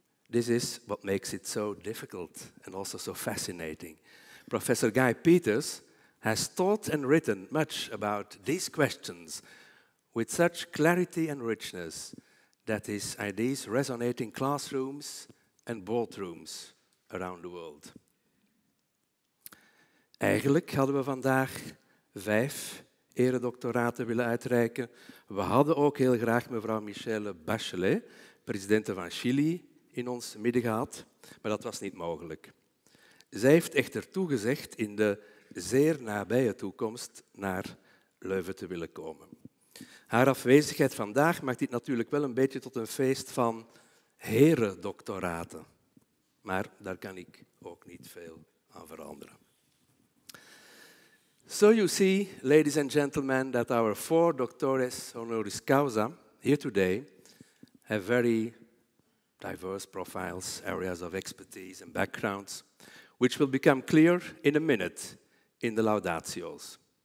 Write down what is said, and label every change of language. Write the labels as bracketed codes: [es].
[en] This is what makes it so difficult and also so fascinating. Professor Guy Peters has thought and written much about these questions with such clarity and richness that his ideas resonate in classrooms and boardrooms around the world. [nl] Eigenlijk hadden we vandaag 5 eredoctoraten willen uitreiken. We hadden ook heel graag mevrouw Michelle Bachelet, president van Chili, in ons midden gehad, maar dat was niet mogelijk. Zij heeft echter toegezegd in de zeer nabije toekomst naar Leuven te willen komen. Haar afwezigheid vandaag maakt dit natuurlijk wel een beetje tot een feest van herendoctoraten. Maar daar kan ik ook niet veel aan veranderen. [en] So you see, ladies and gentlemen, that our 4 doctores honoris causa here today have very diverse profiles, areas of expertise and backgrounds, which will become clear in a minute in the laudatios.